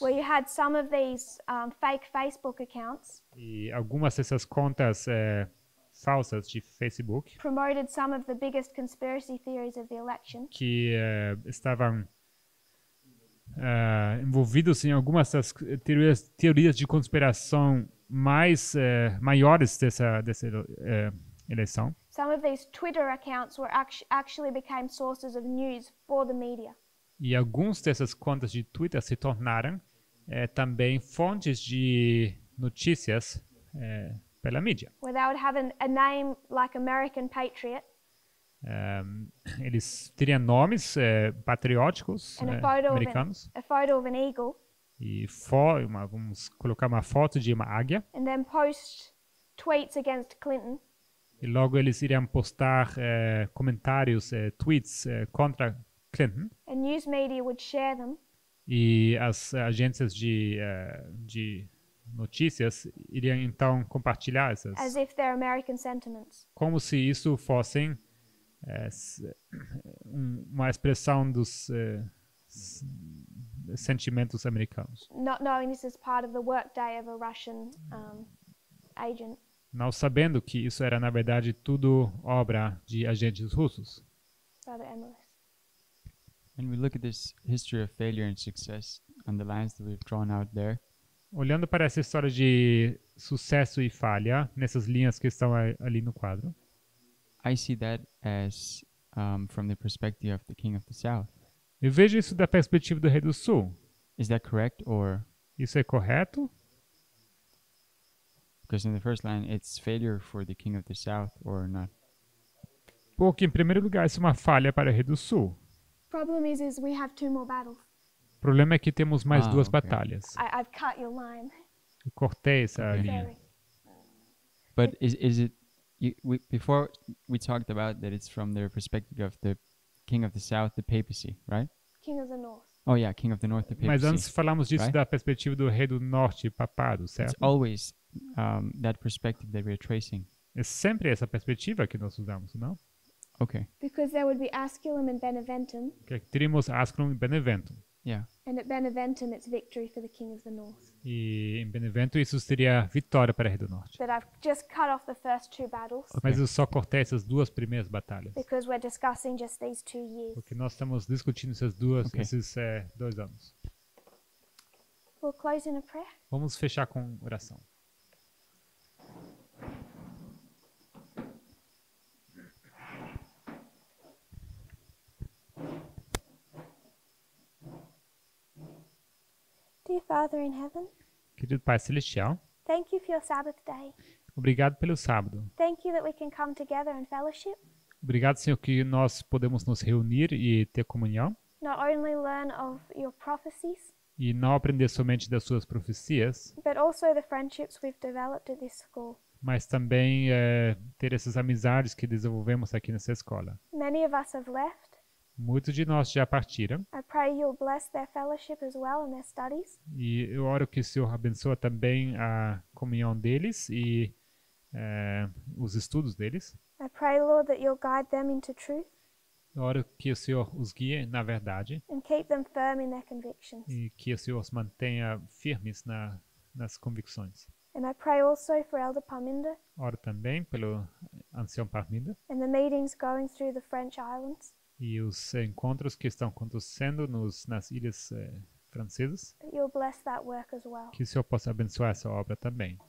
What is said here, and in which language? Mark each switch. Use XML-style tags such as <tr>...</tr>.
<en>Where you had some of these fake Facebook accounts.</en> <pt>E algumas dessas contas falsas de Facebook.</pt> <en>Promoted some of the biggest conspiracy theories of the election.</en> <pt>Que estavam envolvidos em algumas das teorias de conspiração maiores dessa eleição.</pt> <en>Some of these Twitter accounts were actually became sources of news for the media.</en> <pt>E alguns dessas contas de Twitter se tornaram também fontes de notícias pela mídia.</pt> <en>Where they would have a name like American Patriot.</en> <pt>Eles teriam nomes patrióticos americanos.</pt> <en>A photo of an eagle.</en> <pt>E vamos colocar uma foto de uma águia.</pt> <en>And then post tweets against Clinton.</en> <pt>E logo eles iriam postar comentários, tweets contra Clinton.</pt> <en>And news media would share them.</en> <pt>E as agências de notícias iriam então compartilhar essas.</pt> <en>As if they're American sentiments.</en> <pt>Como se isso fossem uma expressão dos sentimentos americanos.</pt> <en>Not knowing this is part of the workday of a Russian agent.</en> <pt>Não sabendo que isso era na verdade tudo obra de agentes russos.</pt> <en>Father Emilis. When we look at this history of failure and success and the lines that we've drawn out there.</en> <pt>Olhando para essa história de sucesso e falha nessas linhas que estão ali no quadro.</pt> <en>I see that as from the perspective of the King of the South.</en> <pt>Eu vejo isso da perspectiva do Rei do Sul.</pt> <en>Is that correct or?</en> <pt>Isso é correto?</pt> <en>Because in the first line it's failure for the King of the South or not?</en> <pt>Porque em primeiro lugar isso é uma falha para o Rei do Sul.</pt> <en>Problem is we have two more battles.</en> <pt>O problema é que temos mais duas batalhas.</pt> <en>I've cut your line.</en> <pt>Eu cortei essa linha.</pt> <en>But is it you, we, before we talked about that it's from the perspective of the King of the South, the papacy, right? King of the North. Oh yeah, King of the North, the papacy.</en> <pt>Mas antes falamos disso</pt> <en>right?</en> <pt>Da perspectiva do rei do norte, papado, certo?</pt> <en>It's always that perspective that we're tracing.</en> <pt>É sempre essa perspectiva que nós usamos, não?</pt> <en>Okay. Because there would be Asculum and Beneventum.</en> <pt>Que teríamos Asculum e Beneventum.</pt> <en>Yeah. And at Beneventum it's victory for the King of the North.</en> <pt>E em Benevento isso seria vitória para o rei do norte.</pt> <en>But I've just cut off the first two battles. Okay.</en> <pt>Mas eu só cortei essas duas primeiras batalhas.</pt> <en>Because we're discussing just these 2 years.</en> <pt>Porque nós estamos discutindo essas duas, okay. Esses 2 anos.</pt> <en>We'll close in a prayer.</en> <pt>Vamos fechar com oração.</pt> <en>Dear Father in heaven.</en> <pt>Querido Pai Celestial.</pt> <en>Thank you for your Sabbath day.</en> <pt>Obrigado pelo sábado.</pt> <en>Thank you that we can come together and fellowship.</en> <pt>Obrigado, Senhor, que nós podemos nos reunir e ter comunhão.</pt> <en>Not only learn of your prophecies.</en> <pt>E não aprender somente das suas profecias.</pt> <en>But also the friendships we've developed at this school.</en> <pt>Mas também ter essas amizades que desenvolvemos aqui nessa escola.</pt> <en>Many of us have left.</en> <pt>Muitos de nós já partiram.</pt> <en>I pray you'll bless their fellowship as well and their studies.</en> <pt>E eu oro que o Senhor abençoe também a comunhão deles e os estudos deles.</pt> <en>I pray, Lord, that you'll guide them into truth.</en> <pt>Eu oro que o Senhor os guie na verdade.</pt> <en>And keep them firm in their convictions.</en> <pt>E que o Senhor os mantenha firmes nas convicções.</pt> <en>And I pray also for Elder Parminder.</en> <pt>Oro também pelo ancião Parminder.</pt> <en>And the meetings going through the French Islands.</en> <pt>E os encontros que estão acontecendo nas ilhas francesas.</pt> <en>You'll bless that work as well.</en> <pt>Que o Senhor possa abençoar essa obra também.</pt>